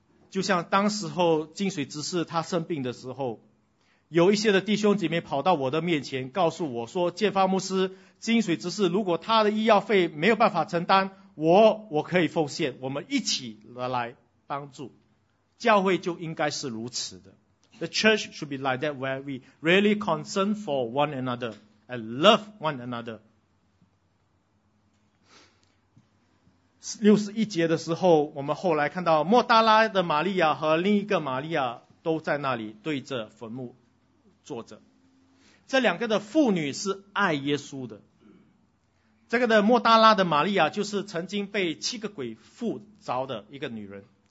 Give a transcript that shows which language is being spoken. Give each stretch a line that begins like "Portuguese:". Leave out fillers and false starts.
Chinese: 就像当时候净水执事他生病的时候，有一些的弟兄姐妹跑到我的面前告诉我说，建发牧师，净水执事如果他的医药费没有办法承担，我可以奉献，我们一起来帮助。教会就应该是如此的。
English: The church should be like that, where we really concern for one another and love one another。
Chinese: 61节的时候，我们后来看到莫大拉的玛利亚和另一个玛利亚都在那里对着坟墓坐着。这两个的妇女是爱耶稣的。这个的莫大拉的玛利亚就是曾经被七个鬼附着的一个女人。